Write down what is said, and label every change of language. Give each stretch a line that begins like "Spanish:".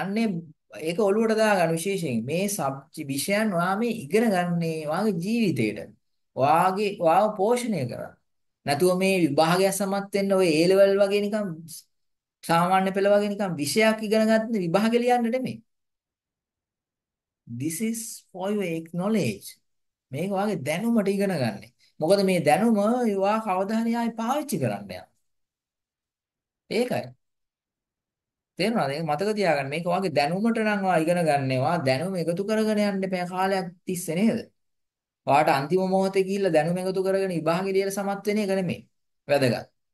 Sinhala: අන්නේ ඒක ඔළුවට දාගන්න විශේෂයෙන් මේ සබ් විෂයන් ඔයා මේ ඉගෙන ගන්නේ ඔයාගේ ජීවිතේට. ඔයාගේ ඔයාව පෝෂණය කරා. නැතුව මේ විභාගය සමත් වෙන්න ඔය ඒ ලෙවල් වගේ නිකන් සාමාන්‍ය පෙළ වගේ නිකන් විෂයක් ඉගෙන ගන්න විභාගෙ ලියන්න නෙමෙයි.
English: This is for your acknowledge.
Sinhala: මේක ඔයාගේ දැනුමට ඉගෙන ගන්න. මොකද මේ දැනුම ඔයා කවදා හරි ආයි පාවිච්චි කරන්න යනවා. ඒකයි. තේරුණාද? ඒක මතක තියාගන්න. මේක ඔයාගේ දැනුමට නම් ඔයා ඉගෙන ගන්න ඒවා දැනුම එකතු කරගෙන යන්න එපා කාලයක් තිස්සේ නේද? ඔයාට අන්තිම මොහොතේ ගිහිල්ලා දැනුම එකතු කරගෙන විභාගෙ ලියලා සමත් වෙන එක නෙමෙයි. වැදගත්.